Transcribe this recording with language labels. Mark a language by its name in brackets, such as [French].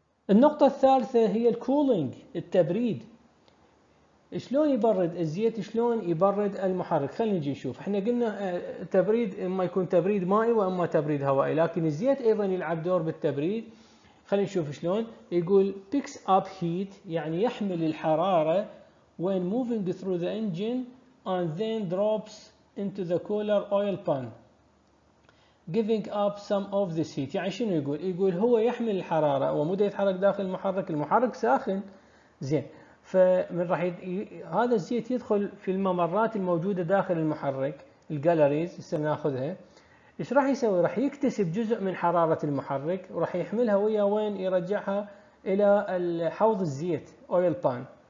[Arabic] النقطة الثالثة هي الكولينج، التبريد. شلون يبرد الزيت؟ شلون يبرد المحرك؟ خلينا نجي نشوف. احنا قلنا تبريد اما يكون تبريد مائي واما تبريد هوائي، لكن الزيت ايضا يلعب دور بالتبريد. خلينا نشوف شلون. يقول [English] picks up heat، [Arabic] يعني يحمل الحرارة [English] when moving through the engine and then drops into the cooler oil pan giving up some of this heat. [Arabic] يعني شنو يقول؟ يقول هو يحمل الحرارة ومدة يتحرك داخل المحرك، المحرك ساخن زين، فمن راح هذا الزيت يدخل في الممرات الموجوده داخل المحرك الجالريز هسه ناخذها، ايش راح يسوي؟ راح يكتسب جزء من حراره المحرك وراح يحملها ويا وين؟ يرجعها الى حوض الزيت اويل بان